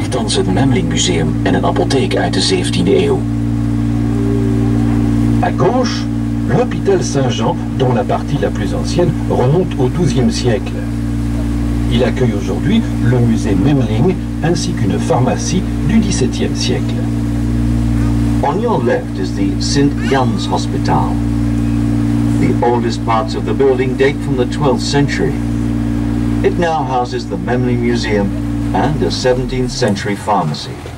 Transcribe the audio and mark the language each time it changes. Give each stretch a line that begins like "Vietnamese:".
Dutch: Het Memling Museum en een apotheek uit de 17e eeuw.
French: À gauche, l'hôpital Saint-Jean, dont la partie la plus ancienne remonte au XIIe siècle. Il accueille aujourd'hui le musée Memling ainsi qu'une pharmacie du XVIIe siècle.
English: On your left is the St. Jan's Hospital. The oldest parts of the building date from the 12th century. It now houses the Memling Museum and a 17th century pharmacy.